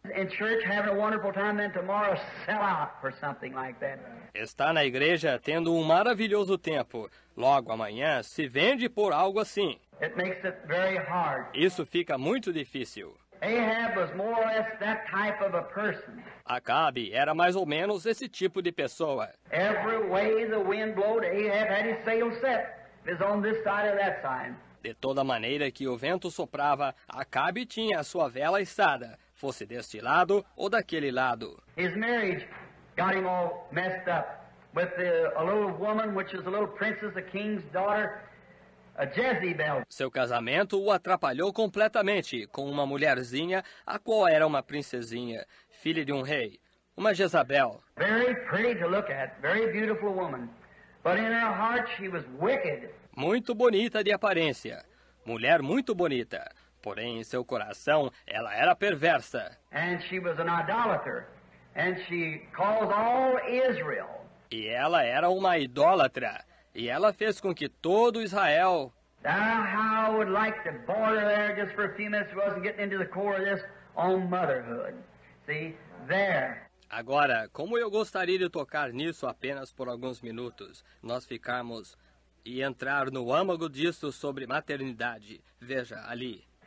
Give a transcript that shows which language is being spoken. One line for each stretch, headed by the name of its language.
English: In church, having a wonderful time, then tomorrow, sell out for something like that.
Portuguese: Está na igreja tendo um maravilhoso tempo. Logo amanhã, se vende por algo assim.
English: It makes it very hard.
Portuguese: Isso fica muito difícil.
English: Ahab was more or less that type of a person.
Portuguese: Acabe era mais ou menos esse tipo de pessoa.
English: Every way the wind blowed, Ahab had his sails set. It was on this side or that side.
Portuguese: De toda maneira que o vento soprava, Acabe tinha a sua vela içada, fosse deste lado ou daquele lado.
English: His marriage got him all messed up with a little woman, which is a little princess, a king's daughter, a Jezebel.
Portuguese: Seu casamento o atrapalhou completamente com uma mulherzinha, a qual era uma princesinha, filha de um rei, uma Jezabel.
English: Very pretty to look at, very beautiful woman, but in her heart she was wicked.
Portuguese: Muito bonita de aparência, mulher muito bonita, porém em seu coração ela era perversa.
English: And she was an idolater, and she caused all Israel.
Portuguese: E ela era uma idólatra, e ela fez com que todo Israel.
English: How I would like to border there just for a few minutes, wasn't getting into the core of this on motherhood. See there.
Portuguese: Agora, como eu gostaria de tocar nisso apenas por alguns minutos, nós ficamos e entrar no âmago disso sobre maternidade. Veja, ali.